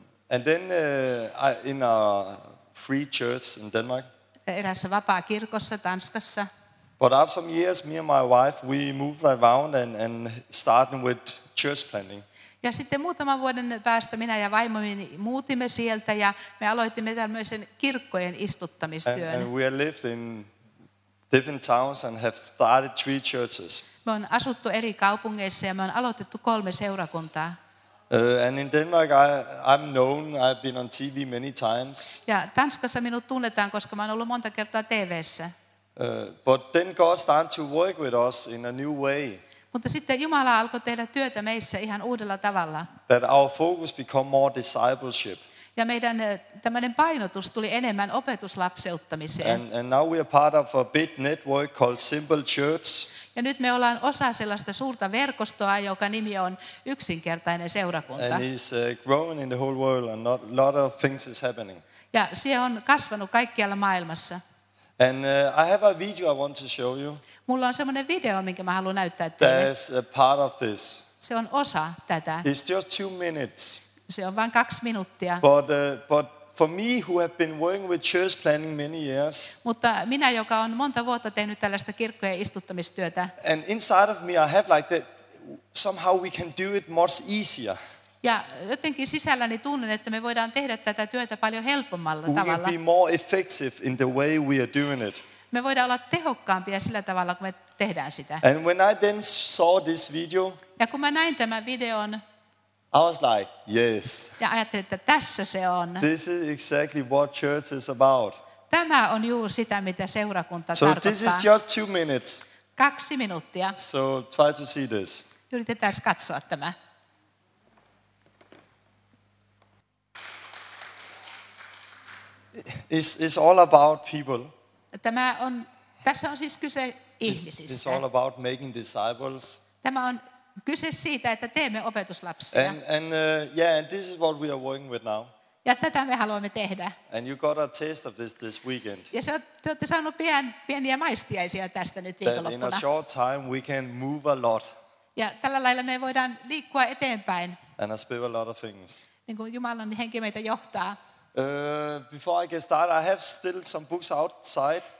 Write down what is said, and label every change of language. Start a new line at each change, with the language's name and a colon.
English: And then in a free church in Denmark.
Finnish: Erässä vapaa kirkossa Tanskassa.
English: But after some years, me and my wife, we moved around and starting with church planning.
Finnish: Ja sitten muutaman vuoden päästä minä ja vaimoni muutimme sieltä ja me aloitimme tämmöisen kirkkojen istuttamistyön.
English: And we have lived in different towns and have started three churches.
Finnish: Me on asuttu eri kaupungeissa ja me on aloitettu kolme seurakuntaa.
English: And in Denmark, I'm known. I've been on TV many times.
Finnish: Ja Tanskassa minut tunnetaan, koska mä oon ollut monta kertaa TV:ssä.
English: But then God started to work with us in a new way.
Finnish: Mutta sitten Jumala alkoi tehdä työtä meissä ihan uudella tavalla.
English: That our focus become more discipleship.
Finnish: Ja meidän tämmöinen painotus tuli enemmän opetuslapseuttamiseen.
English: And now we are part of a big network called Simple Church.
Finnish: Ja nyt me ollaan osa sellaista suurta verkostoa, joka nimi on Yksinkertainen seurakunta.
English: And it's growing in the whole world and a lot of things is happening.
Finnish: Ja se on kasvanut kaikkialla maailmassa.
English: And I have a video I want to show you.
Finnish: Mulla on semmoinen video, minkä mä haluan näyttää teille.
English: That's a part of this.
Finnish: Se on osa tätä.
English: It's just 2 minutes.
Finnish: Se on vain 2 minuuttia.
English: But for me, who have been working with church planning many years.
Finnish: Mutta minä, joka on monta vuotta tehnyt tällaista kirkkojen istuttamistyötä.
English: And inside of me, I have like that somehow we can do it much easier.
Finnish: Ja jotenkin sisälläni tunnen, että me voidaan tehdä tätä työtä paljon helpommalla tavalla.
English: We can be more effective in the way we are doing it.
Finnish: Me voidaan olla tehokkaampia sillä tavalla, kun me tehdään sitä.
English: And when I then saw this video.
Finnish: Ja kun mä näin tämän videon.
English: I was like, yes.
Finnish: Ja ajattelin, että tässä se on.
English: This is exactly what church is about.
Finnish: Tämä on juuri sitä, mitä seurakunta
English: so
Finnish: tarkoittaa.
English: So this is just 2 minutes.
Finnish: 2 minuuttia.
English: So try to see this.
Finnish: Yritetään katsoa tämä.
English: It's all about people.
Finnish: Tämä on, tässä on siis kyse ihmisistä.
English: It's all about making disciples.
Finnish: Tämä on kyse siitä, että teemme opetuslapsia.
English: And this is what we are working with now.
Finnish: Ja tätä me haluamme tehdä.
English: And you got a taste of this weekend.
Finnish: Ja te olette saaneet pieniä maistiaisia tästä nyt viikonloppuna.
English: In a short time we can move a lot.
Finnish: Ja tällä lailla me voidaan liikkua eteenpäin.
English: And I spill a lot of things.
Finnish: Niin kuin Jumalan henki meitä johtaa.
English: Before I get started, I have still some books outside.